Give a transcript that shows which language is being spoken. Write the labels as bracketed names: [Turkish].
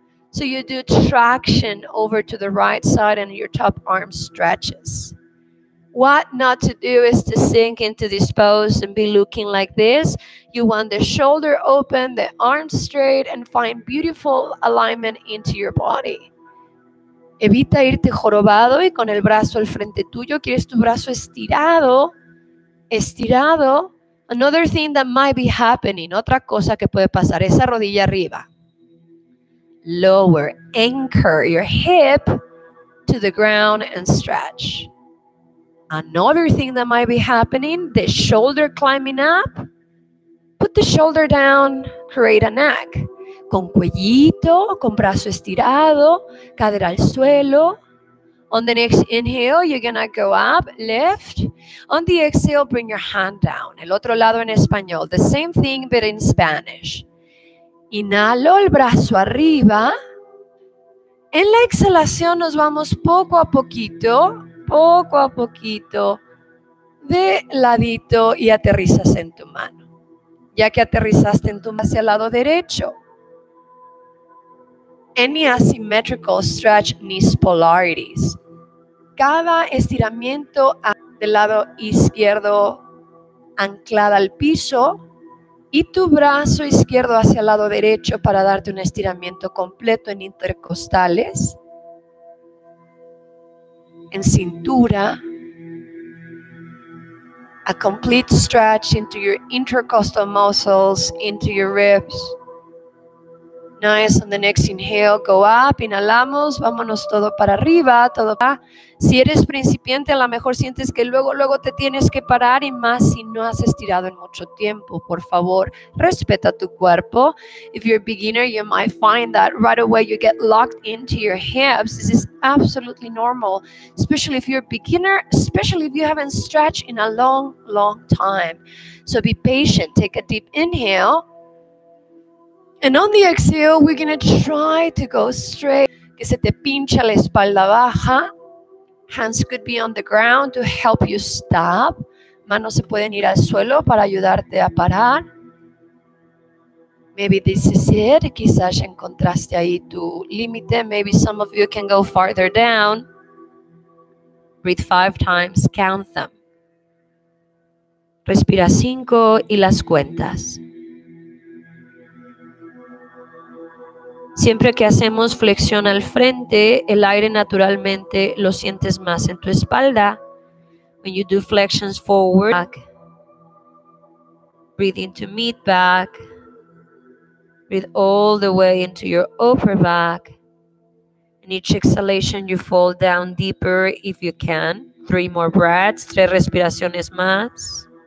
[English] So you do traction over to the right side and your top arm stretches. What not to do is to sink into this pose and be looking like this. You want the shoulder open, the arms straight and find beautiful alignment into your body. [Spanish] Evita irte jorobado y con el brazo al frente tuyo. Quieres tu brazo estirado, estirado. [English] Another thing that might be happening, [Spanish] otra cosa que puede pasar, esa rodilla arriba. [English] Lower, anchor your hip to the ground and stretch. Another thing that might be happening, the shoulder climbing up. Put the shoulder down, create a neck. [Spanish] Con cuellito, con brazo estirado, cadera al suelo. [English] On the next inhale, you're going to go up, lift. On the exhale, bring your hand down. [Spanish] El otro lado en español. [English] The same thing, but in Spanish. [Spanish] Inhalo, el brazo arriba. En la exhalación, nos vamos poco a poquito, de ladito y aterrizas en tu mano. Ya que aterrizaste en tu mano hacia el lado derecho. [English] Any asymmetrical stretch needs polarities. [Spanish] Cada estiramiento del lado izquierdo anclada al piso y tu brazo izquierdo hacia el lado derecho para darte un estiramiento completo en intercostales, en cintura, [English] a complete stretch into your intercostal muscles, into your ribs. Nice. On the next inhale, go up. [Spanish] Inhalamos. Vámonos todo para arriba. Todo para. Si eres principiante, a lo mejor sientes que luego te tienes que parar y más si no has estirado en mucho tiempo. Por favor, respeta tu cuerpo. [English] If you're a beginner, you might find that right away you get locked into your hips. This is absolutely normal, especially if you're a beginner, especially if you haven't stretched in a long, long time. So be patient. Take a deep inhale. And on the exhale, we're going to try to go straight. [Spanish] Que se te pincha la espalda baja. [English] Hands could be on the ground to help you stop. [Spanish] Manos se pueden ir al suelo para ayudarte a parar. [English] Maybe this is it. [Spanish] Quizás encontraste ahí tu límite. [English] Maybe some of you can go farther down. Breathe 5 times. Count them. [Spanish] Respira 5 y las cuentas. Siempre que hacemos flexión al frente, el aire naturalmente lo sientes más en tu espalda. [English] When you do flexions forward, back, breathe into mid back, breathe all the way into your upper back. In each exhalation, you fall down deeper if you can. 3 more breaths, [Spanish] 3 respiraciones más.